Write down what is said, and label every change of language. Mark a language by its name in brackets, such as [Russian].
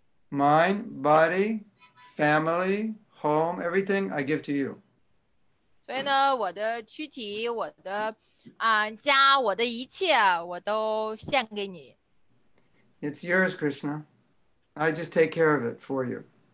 [English] Mind, body, family, home, everything I give to you. [Chinese] 所以呢我的躯体我的家我的一切我都献给你。 [English] It's yours, Krishna. I just take care of it for you.